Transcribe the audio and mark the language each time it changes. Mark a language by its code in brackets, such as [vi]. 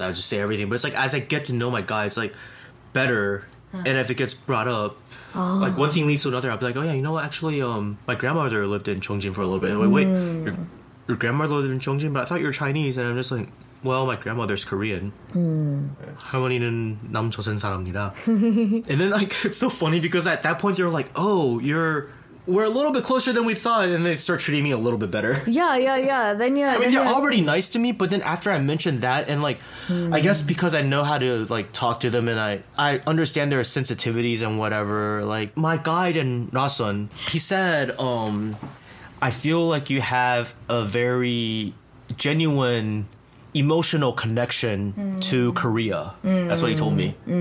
[en] I just say everything. But it's like, as I get to know my guy, it's like better. Huh. And if it gets brought up, oh, like one thing leads to another, I'll be like, oh yeah, you know what, actually my grandmother lived in Chongjin for a little bit. And wait, your grandmother lived in Chongjin, but I thought you were Chinese. And I'm just like, well, my grandmother's Korean. [ko] 할머니는 남조선 사람입니다. [en] And then like, it's so funny because at that point you're like, oh, we're a little bit closer than we thought. And they start treating me a little bit better. Yeah. Then you're, I mean, then they're already nice to me, but then after I mentioned that, and like, I guess because I know how to like talk to them and I understand their sensitivities and whatever, like my guide in Rasun, he said, I feel like you have a very genuine emotional connection to Korea. That's what he told me.